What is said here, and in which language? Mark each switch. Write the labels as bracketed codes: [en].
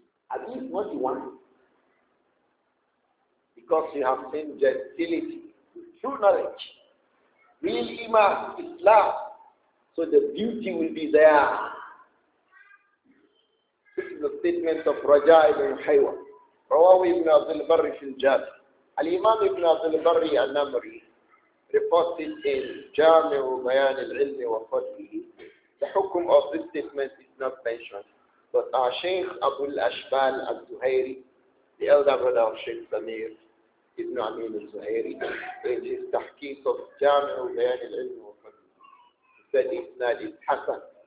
[en] Are you what you want? Because you have seen gentility, true knowledge, real iman, Islam. So the beauty will be there. This is the statement of Raja ibn Haywa. [ar] رواه ابن عبد البر في الجامع. الإمام ابن عبد البر النمري [en] reported in [ar] جامع بيان العلم وفضله. [en] The حكم of this statement is not mentioned. But our Sheikh Abu al-Ashbal al-Zuhairi, the elder brother of Sheikh Samir ibn Amin al-Zuhairi, in his تحقيق of جامع بيان العلم وفضله, said it's not in Hassan.